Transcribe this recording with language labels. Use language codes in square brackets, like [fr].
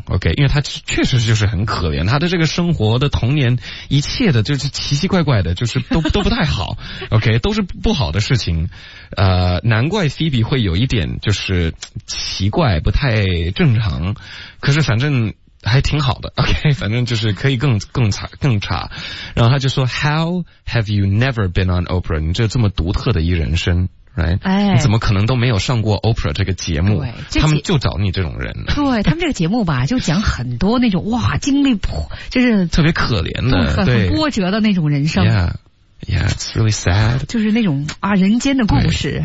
[zh] Okay, 因为他确实就是很可怜，他的这个生活的童年一切的就是奇奇怪怪的，就是都不太好。 Okay, 都是不好的事情。难怪 Phoebe 会有一点就是奇怪，不太正常。可是反正。还挺好的 ,OK, 反正就是可以更差更差。然后他就说 [en] ,How have you never been on Oprah? [zh] 你这么独特的一人生 , [en] Right?、哎、 [zh] 你怎么可能都没有上过 Oprah 这个节目，他们就找你这种人。对，他们这个节目吧就讲很多那种哇经历不就是特别可怜的很波折的那种人生。 [en] Yeah, it's really sad. [zh] 就是那种啊人间的故事。